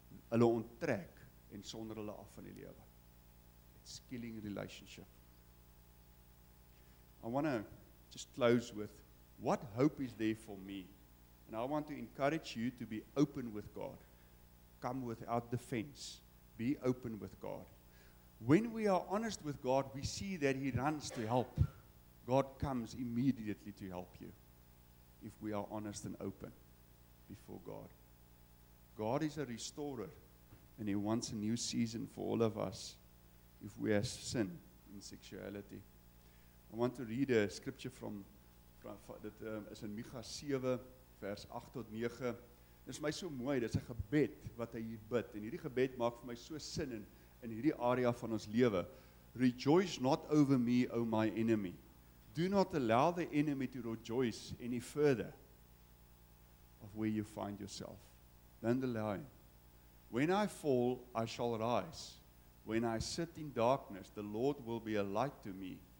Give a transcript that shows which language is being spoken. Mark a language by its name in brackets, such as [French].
[Afrikaans] Hulle onttrek en sonder hulle af van die lewe. [English] It's killing relationship. I want to just close with, what hope is there for me? And I want to encourage you to be open with God. Come without defense. Be open with God. When we are honest with God, we see that He runs to help. God comes immediately to help you. If we are honest and open before God. God is a restorer. And He wants a new season for all of us. If we have sin in sexuality. I want to read a scripture from is in Micha 7 [Afrikaans] vers 8 tot 9. Dit is my so mooi, dit is 'n gebed wat hy hier bid. En hierdie gebed maak vir my so sin in hierdie area van ons lewe. [English] Rejoice not over me, O my enemy. Do not allow the enemy to rejoice any further of where you find yourself. Don't allow him. When I fall, I shall rise. When I sit in darkness, the Lord will be a light to me.